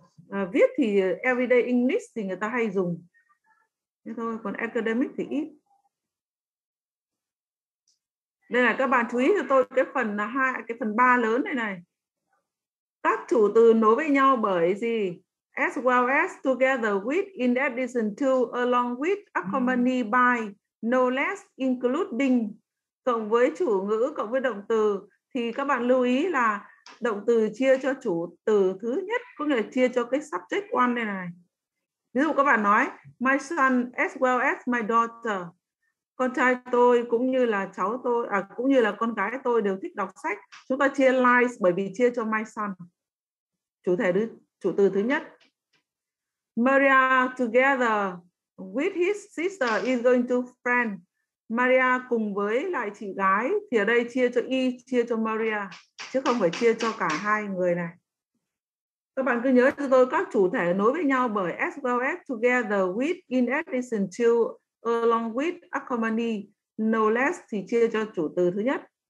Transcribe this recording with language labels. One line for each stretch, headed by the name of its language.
Vietnamese: À, viết thì everyday English thì người ta hay dùng. Thế thôi, còn academic thì ít. Đây là các bạn chú ý cho tôi cái phần 2, cái phần 3 lớn này này. Các chủ từ nối với nhau bởi gì?
English: As well as, together with, in addition to, along with, accompanied by, no less, including.
Vietnamese: Cộng với chủ ngữ, cộng với động từ. Thì các bạn lưu ý là động từ chia cho chủ từ thứ nhất, có nghĩa là chia cho cái subject one đây này. Ví dụ các bạn nói,
English: my son as well as my daughter.
Vietnamese: Con trai tôi cũng như là cháu tôi, à, cũng như là con gái tôi đều thích đọc sách. Chúng ta chia like bởi vì chia cho
English: my son.
Vietnamese: Chủ thể, chủ từ thứ nhất.
English: Maria together with his sister is going to France.
Vietnamese: Maria cùng với lại chị gái thì ở đây chia cho y, chia cho Maria. Chứ không phải chia cho cả hai người này. Các bạn cứ nhớ cho tôi các chủ thể nối với nhau bởi
English: as well as, together with, in addition to, along with, accompany, no less
Vietnamese: thì chia cho chủ từ thứ nhất.